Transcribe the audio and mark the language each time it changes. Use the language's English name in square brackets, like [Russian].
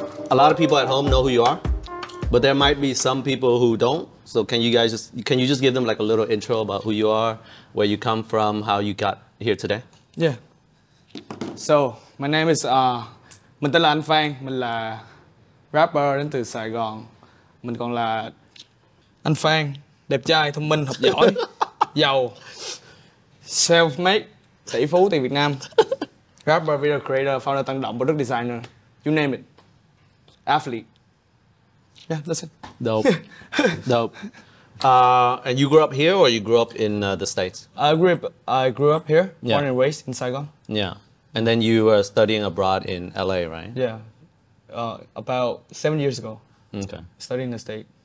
[English] A lot of people at home know who you are. But there might be some people who don't. So can you guys just, can you just give them like a little intro about who you are, where you come from, how you got here today? Yeah. So my name is [Vietnamese] mình tên là Anh Phan, mình là rapper đến từ Sài Gòn. Mình còn là Anh Phan, đẹp trai, thông minh, học giỏi, giàu, self-made, tỷ phú tiền Việt Nam, rapper, video creator, founder Tăng Động, product designer, [English] you name it, [Vietnamese] athlete. [English] Yeah, that's it. Dope. Dope. And you grew up here or you grew up in the States? I grew up here, yeah. Born and raised in Saigon. Yeah. And then you were studying abroad in LA, right? Yeah. About 7 years ago. Okay. Studying in the state.